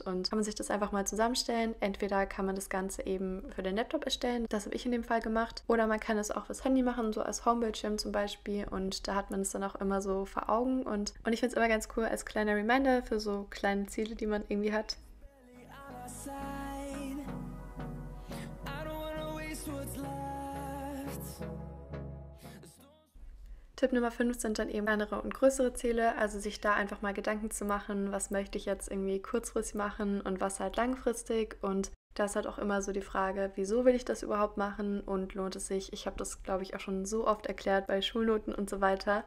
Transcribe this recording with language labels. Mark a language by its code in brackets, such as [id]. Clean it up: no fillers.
[de] Und kann man sich das einfach mal zusammenstellen. Entweder kann man das Ganze eben für den Laptop erstellen, das habe ich in dem Fall gemacht. Oder man kann es auch fürs Handy machen, so als Homebildschirm zum Beispiel. Und da hat man es dann auch immer so vor Augen. Und ich finde es immer ganz cool als kleiner Reminder für so kleine Ziele, die man irgendwie hat. [en] Side. I don't wanna waste what's left. [de] Tipp Nummer 5 sind dann eben kleinere und größere Ziele, also sich da einfach mal Gedanken zu machen, was möchte ich jetzt irgendwie kurzfristig machen und was halt langfristig. Und das hat auch immer so die Frage, wieso will ich das überhaupt machen und lohnt es sich? Ich habe das, glaube ich, auch schon so oft erklärt bei Schulnoten und so weiter.